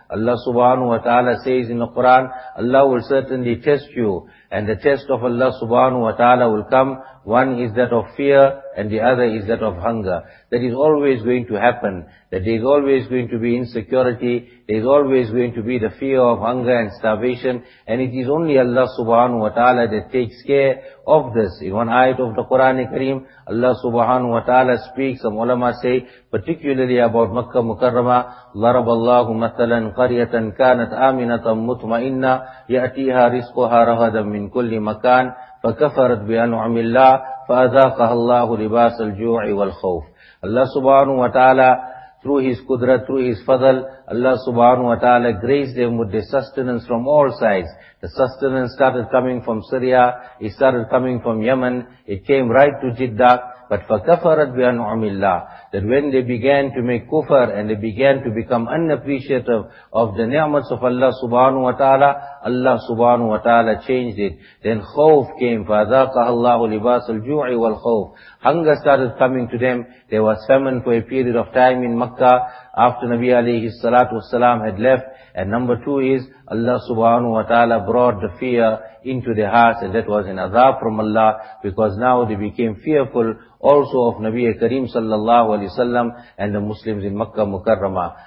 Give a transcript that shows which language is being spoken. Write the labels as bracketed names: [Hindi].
[English] Allah subhanahu wa ta'ala says in the Quran, Allah will certainly test you, and the test of Allah subhanahu wa ta'ala will come. One is that of fear, and the other is that of hunger. That is always going to happen. That there is always going to be insecurity. There is always going to be the fear of hunger and starvation. And it is only Allah subhanahu wa ta'ala that takes care of this. In one ayat of the Quran Kareem, Allah subhanahu wa ta'ala speaks, some ulama say, particularly about Makkah Mukarramah, [Arabic] ضَرَبَ اللَّهُ مَثَلًا قَرْيَةً كَانَتْ آمِنَةً مُطْمَئِنَّا يَأْتِيهَا رِزْقُهَا رَغَدًا مِنْ كُلِّ مَكَانٍ فَكَفَرَتْ بِأَنْعُمِ اللَّهِ فَأَذَاقَهَا اللَّهُ لِبَاسَ الْجُوعِ وَالْخَوْفِ. [English] Allah subhanahu wa ta'ala, through His Qudrat, through His Fadl, Allah subhanahu wa ta'ala graced them with the sustenance from all sides. The sustenance started coming from Syria, it started coming from Yemen, it came right to Jeddah. But [Arabic] فَكَفَرَتْ بِأَنْعُمِ اللَّهِ, [English] that when they began to make kufr and they began to become unappreciative of the ni'mats of Allah subhanahu wa ta'ala, Allah subhanahu wa ta'ala changed it. Then khawf came, [Arabic] فَأَذَاقَهَا اللَّهُ لِبَاسَ الْجُوعِ وَالْخَوْفِ. [English] Hunger started coming to them. There was famine for a period of time in Makkah after Nabi alayhi salatu wasalam had left. And number two is, Allah subhanahu wa ta'ala brought the fear into their hearts, and that was an azab from Allah, because now they became fearful also of Nabi Kareem sallallahu alayhi wasallam and the Muslims in Makkah Mukarramah.